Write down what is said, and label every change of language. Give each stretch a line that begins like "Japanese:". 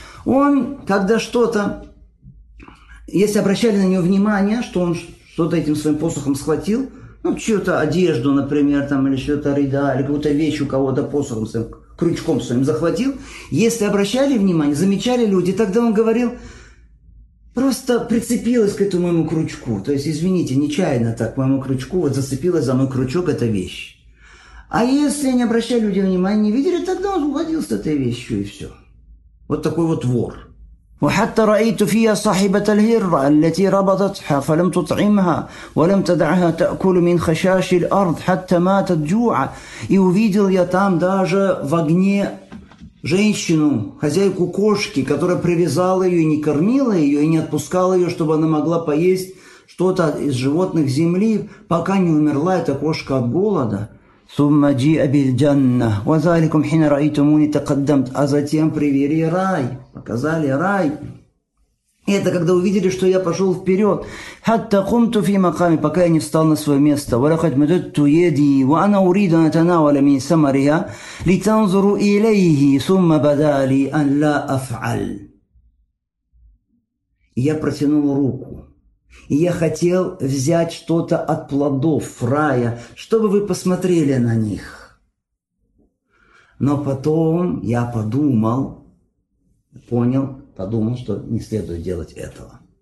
Russian: Он, когда что-то, если обращали на него внимание, что он что-то этим своим посохом схватил, ну, чью-то одежду, например, там, или что-то рыда, или какую-то вещь у кого-то посохом своим, крючком своим захватил, если обращали внимание, замечали люди, тогда он говорил, просто прицепилась к этому моему крючку, то есть, извините, нечаянно так, к моему крючку, вот зацепилась за мой крючок эта вещь. А если не обращали люди внимания, не видели, тогда он уводил с этой вещью, и все. Вот такой вот вор.
Arabic: وحتى رأيت فيها صاحبة الهرة التي ربطتها فلم تطعمها ولم تدعها تأكل من خشاش الأرض حتى ماتت جوعا.
Russian: И увидел я там даже в огне женщину, хозяйку кошки, которая привязала ее и не кормила ее и не отпускала ее, чтобы она могла поесть что-то из животных земли, пока не умерла эта кошка от голода.
Arabic: ثم جيء بالجنة وذلكم حين رأيتموني تقدمت.
Russian: А затем привели рай, показали рай. И это когда увидели, что я пошел вперед.
Arabic: حتى قمت في مقامي,
Russian: пока я не встал на свое место.
Arabic: ولقد مددت يدي وأنا أريد أن أتناول من ثمرها لتنظر إليه ثم بدا لي أن لا أفعل.
Russian: Я протянул руку. И я хотел взять что-то от плодов рая, чтобы вы посмотрели на них. Но потом я подумал, понял, подумал, что не следует делать этого.